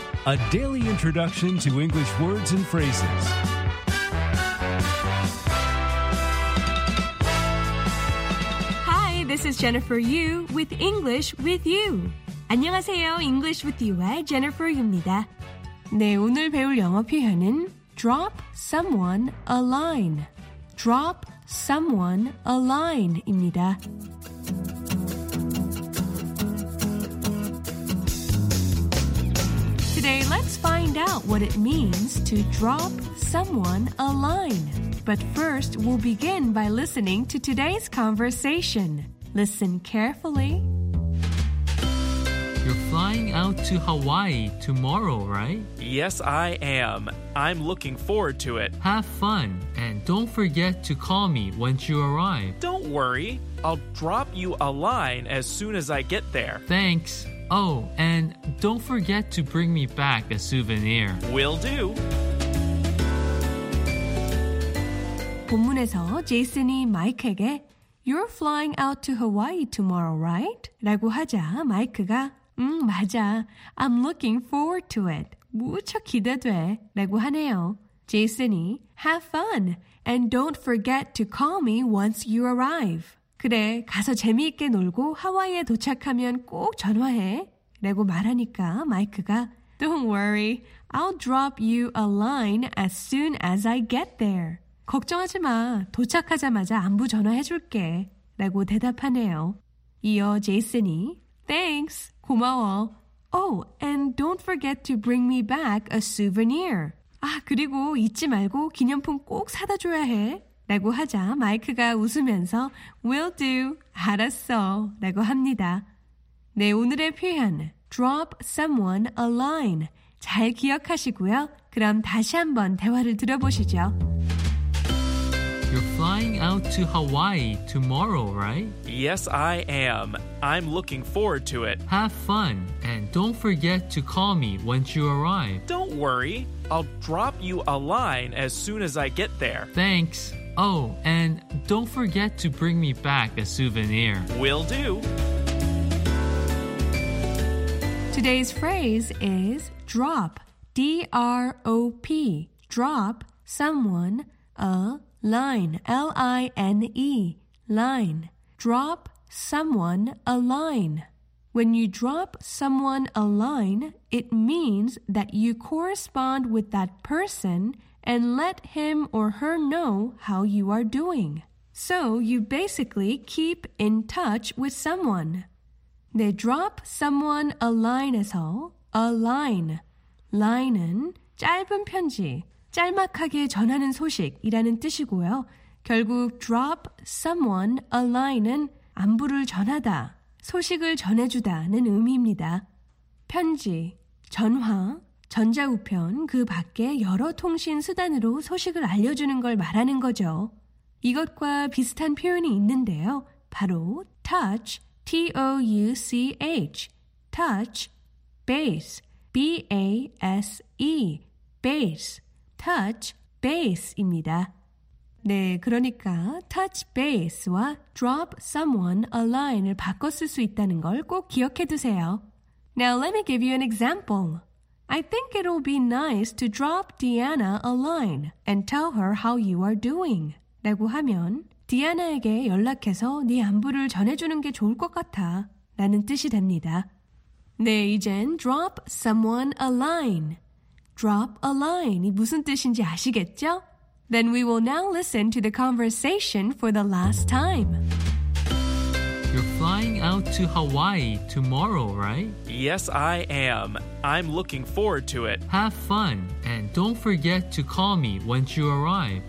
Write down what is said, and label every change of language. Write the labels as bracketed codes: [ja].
[en] A daily introduction to English words and phrases. Hi, this is Jennifer Yu with English with you. [ko] 안녕하세요. English with you의 Jennifer Yu입니다. 네, 오늘 배울 영어 표현은 [en] drop someone a line. Drop someone a line입니다. 네, let's find out what it means to drop someone a line. But first, we'll begin by listening to today's conversation. Listen carefully. You're flying out to Hawaii tomorrow, right? Yes, I am. I'm looking forward to it. Have fun, and don't forget to call me once you arrive. Don't worry. I'll drop you a line as soon as I get there. Thanks. Oh, and don't forget to bring me back a souvenir. Will do. [ko] 본문에서 제이슨이 마이크에게 [en] You're flying out to Hawaii tomorrow, right? [ko] 라고 하자 마이크가 맞아. [en] I'm looking forward to it. [ko] 무척 기대돼. 라고 하네요. [en] 제이슨이 Have fun and don't forget to call me once you arrive. [ko] 그래, 가서 재미있게 놀고 하와이에 도착하면 꼭 전화해. 라고 말하니까 마이크가 [en] Don't worry, I'll drop you a line as soon as I get there. [ko] 걱정하지 마, 도착하자마자 안부 전화해줄게. 라고 대답하네요. 이어 제이슨이 [en] Thanks, [ko] 고마워. [en] Oh, and don't forget to bring me back a souvenir. [ko] 아, 그리고 잊지 말고 기념품 꼭 사다 줘야 해. 라고 하자 마이크가 웃으면서 [en] Will do, [ko] 알았어 라고 합니다. 네, 오늘의 표현 [en] Drop someone a line [ko] 잘 기억하시고요. 그럼 다시 한번 대화를 들어보시죠. [en] You're flying out to Hawaii tomorrow, right? Yes, I am. I'm looking forward to it. Have fun and don't forget to call me once you arrive. Don't worry, I'll drop you a line as soon as I get there. Thanks. Oh, and don't forget to bring me back a souvenir. Will do. Today's phrase is drop, D-R-O-P, drop someone a line, L-I-N-E, line. Drop someone a line. When you drop someone a line, it means that you correspond with that person and let him or her know how you are doing. So you basically keep in touch with someone. 네, drop someone a line에서 a line. [ko] Line은 짧은 편지, 짤막하게 전하는 소식이라는 뜻이고요. 결국 [en] drop someone a line [ko] 은 안부를 전하다, 소식을 전해주다는 의미입니다. 편지, 전화, 전자우편, 그 밖에 여러 통신 수단으로 소식을 알려주는 걸 말하는 거죠. 이것과 비슷한 표현이 있는데요. [en] 바로 touch, T-O-U-C-H, touch, base, B-A-S-E, base, touch, base입니다. [ko] 네, 그러니까 touch base와 [en] drop someone a line [ko] 을 바꿔 쓸 수 있다는 걸 꼭 기억해 두세요. [en] Now let me give you an example. I think it'll be nice to drop Deanna a line and tell her how you are doing. [ko] 라고 하면 디아나에게 연락해서 네 안부를 전해주는 게 좋을 것 같아 라는 뜻이 됩니다. 네, 이젠 [en] drop someone a line. Drop a line [ko] 이 무슨 뜻인지 아시겠죠? [en] Then we will now listen to the conversation for the last time. You're flying out to Hawaii tomorrow, right? Yes, I am. I'm looking forward to it. Have fun, and don't forget to call me once you arrive.